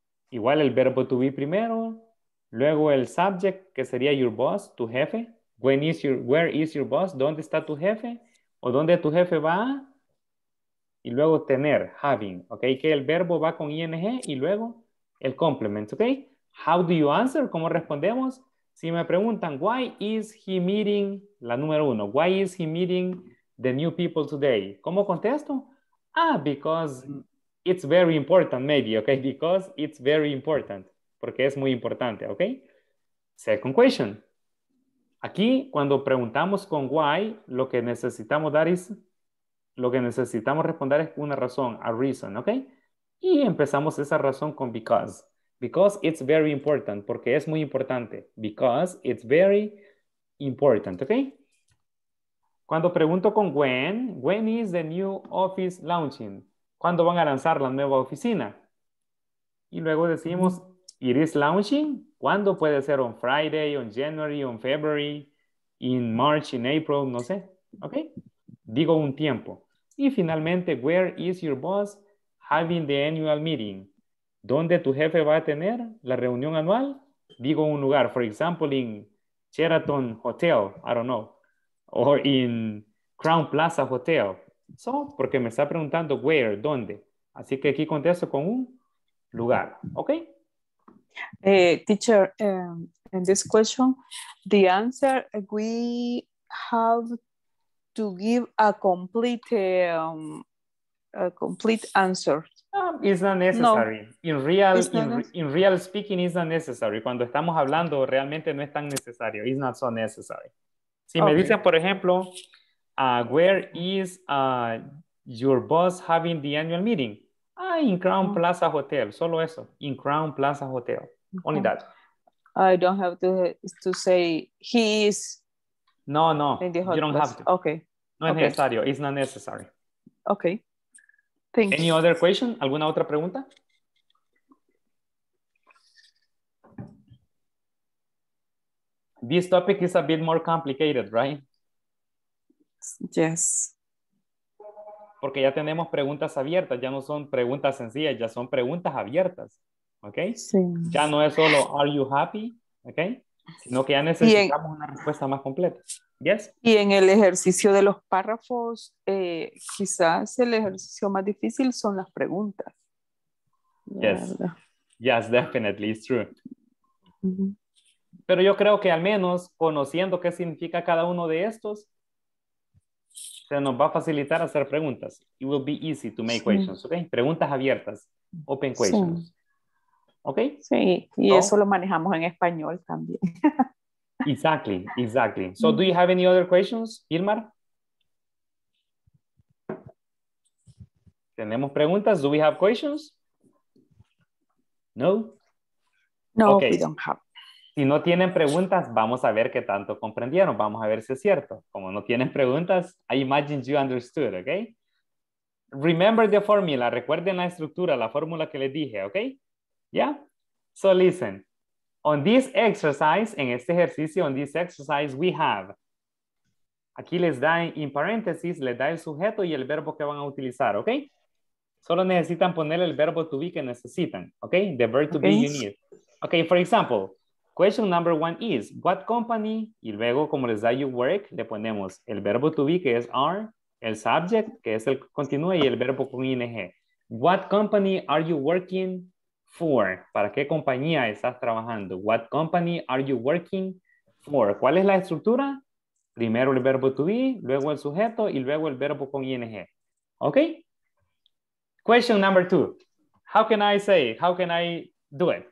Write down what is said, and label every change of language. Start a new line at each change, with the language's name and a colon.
Spanish: Igual el verbo to be primero. Luego el subject, que sería
English: your boss,
Spanish: tu jefe.
English: Where is your boss?
Spanish: ¿Dónde está tu jefe? ¿O dónde tu jefe va? Y luego tener, having, ¿ok? Que el verbo va con ing y luego el complement, ¿ok?
English: How do you answer?
Spanish: ¿Cómo respondemos? Si me preguntan,
English: why is he meeting,
Spanish: la número uno,
English: why is he meeting the new people today?
Spanish: ¿Cómo contesto?
English: Ah, because it's very important, maybe, ¿ok? Because it's very important,
Spanish: porque es muy importante,
English: ¿ok? Second question.
Spanish: Aquí, cuando preguntamos con why, lo que necesitamos dar es... Lo que necesitamos responder es una razón,
English: a reason,
Spanish: ¿ok? Y empezamos esa razón con because.
English: Because it's very important,
Spanish: porque es muy importante.
English: Because it's very important, ¿ok?
Spanish: Cuando pregunto con
English: when is the new office launching?
Spanish: ¿Cuándo van a lanzar la nueva oficina? Y luego decimos,
English: it is launching.
Spanish: ¿Cuándo puede ser?
English: On Friday, on January, on February, in March, in April,
Spanish: no sé,
English: ¿ok?
Spanish: Digo un tiempo. Y finalmente,
English: where is your boss having the annual meeting?
Spanish: ¿Dónde tu jefe va a tener la reunión anual? Digo un lugar.
English: For example, in Sheraton Hotel. I don't know. Or in Crown Plaza Hotel. So,
Spanish: porque me está preguntando
English: where, dónde.
Spanish: Así que aquí contesto con un lugar. ¿Ok?
English: Teacher, in this question, the answer we have to give a complete answer. It's not necessary. No. In real speaking, it's not necessary.
Spanish: Cuando estamos hablando, realmente no es tan necesario.
English: It's not so necessary. Si okay.
Spanish: Me dicen, por ejemplo,
English: where is your boss having the annual meeting? In Crown Plaza Hotel.
Spanish: Solo eso.
English: In Crown Plaza Hotel. Okay. Only that. I don't have to say he is. No, no. In the hotel. You don't have to. Okay.
Spanish: No es necesario.
English: It's not necessary. Okay. Thanks. Any other question?
Spanish: ¿Alguna otra pregunta?
English: This topic is a bit more complicated, right? Yes.
Spanish: Porque ya tenemos preguntas abiertas, ya no son preguntas sencillas, ya son preguntas abiertas. ¿Ok? Sí. Ya no es solo,
English: are you happy?
Spanish: ¿Ok? Sino que ya necesitamos una respuesta más completa.
English: Yes.
Spanish: Y en el ejercicio de los párrafos, quizás el ejercicio más difícil son las preguntas.
English: Yes. Yes, definitely, it's true.
Spanish: Pero yo creo que al menos conociendo qué significa cada uno de estos, se nos va a facilitar hacer preguntas.
English: It will be easy to make questions, ¿ok?
Spanish: Preguntas abiertas,
English: open questions. Sí. ¿Ok?
Spanish: Sí, y eso lo manejamos en español también.
English: Exactly, exactly. So, do you have any other questions, Irmar? ¿Tenemos preguntas? Do we have questions? No? No, okay. We don't have.
Spanish: Si no tienen preguntas, vamos a ver qué tanto comprendieron. Vamos a ver si es cierto. Como no tienen preguntas,
English: I imagine you understood,
Spanish: ¿ok?
English: Remember the formula.
Spanish: Recuerden la estructura, la fórmula que les dije,
English: ¿ok? Yeah? So, listen. On this exercise,
Spanish: en este ejercicio,
English: on this exercise, we have.
Spanish: Aquí les da en paréntesis, les da el sujeto y el verbo que van a utilizar, ¿ok? Solo necesitan poner el verbo to be que necesitan, ¿ok?
English: The verb to be you need. Ok, for example, question number one is, what company?
Spanish: Y luego, como les da you work, le ponemos el verbo to be que es are, el subject que es el continúe y el verbo con ing.
English: What company are you working for?
Spanish: ¿Para qué compañía estás trabajando?
English: What company are you working for?
Spanish: ¿Cuál es la estructura? Primero el verbo to be, luego el sujeto y luego el verbo con ing.
English: ¿Ok? Question number two. How can I say, how can I do it?